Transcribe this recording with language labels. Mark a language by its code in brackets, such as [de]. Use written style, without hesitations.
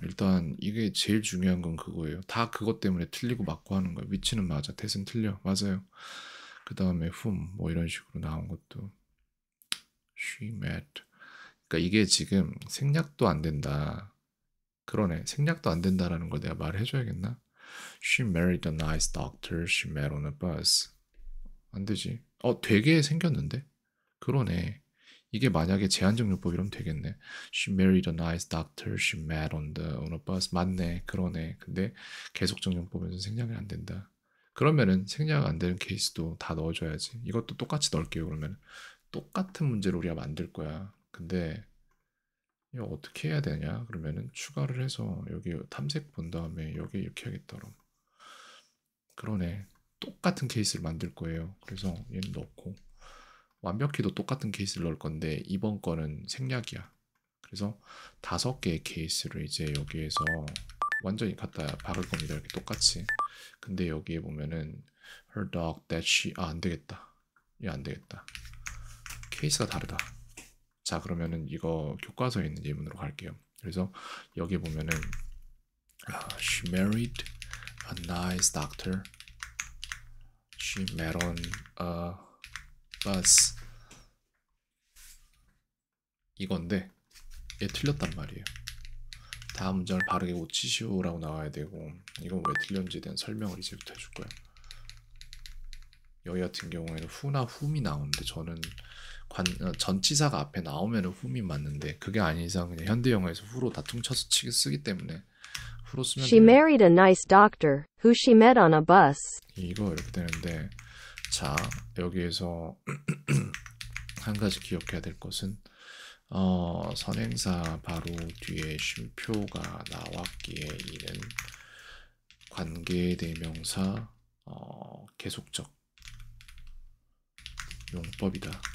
[ko] 일단 이게 제일 중요한 건 그거예요. 다 그것 때문에 틀리고 맞고 하는 거야. 위치는 맞아. 탯은 틀려. 맞아요. 그다음에 whom 뭐 이런 식으로 나온 것도 She met. 그러니까 이게 지금 생략도 안 된다. 그러네. 생략도 안 된다라는 걸 내가 말해줘야겠나? [en] She married a nice doctor she met on a bus. [ko] 안 되지. 되게 생겼는데? 그러네. 이게 만약에 제한적 용법이라면 되겠네. [en] She married a nice doctor she met on a bus. [ko] 맞네. 그러네. 근데 계속적 용법에서 생략이 안 된다. 그러면은 생략 안 되는 케이스도 다 넣어줘야지. 이것도 똑같이 넣을게요. 그러면 똑같은 문제를 우리가 만들 거야. 근데 이거 어떻게 해야 되냐? 그러면은 추가를 해서 여기 탐색 본 다음에 여기 이렇게 하겠더라. 그러네. 똑같은 케이스를 만들 거예요. 그래서 얘는 넣고 완벽히도 똑같은 케이스를 넣을 건데 이번 거는 생략이야. 그래서 다섯 개의 케이스를 이제 여기에서 완전히 갖다 박을 겁니다. 이렇게 똑같이. 근데 여기에 보면은 her dog that she 아안 되겠다. 얘안 되겠다. 케이스가 다르다. 자, 그러면은 이거 교과서에 있는 예문으로 갈게요. [en] 그래서 여기 보면은 she married a nice doctor. She met on a bus. [ko] 이건데 얘 틀렸단 말이에요. 다음 문장을 바르게 고치시오라고 나와야 되고, 이건 왜 틀렸는지에 대한 설명을 이제부터 해줄 거예요. 여기 같은 경우에는 후나 훔이 나오는데, 저는 전치사가 앞에 나오면 훔이 맞는데, 그게 아닌 이상 그냥 현대 영어에서 후로 다 퉁쳐서 쓰기 때문에 후로 쓰면 [en] She [ko] 돼요. [en] married a nice doctor who she met on a bus. [ko] 이거 이렇게 되는데, 자, 여기에서 한 가지 기억해야 될 것은, 선행사 바로 뒤에 쉼표가 나왔기에 이는 관계대명사 계속적 용법이다.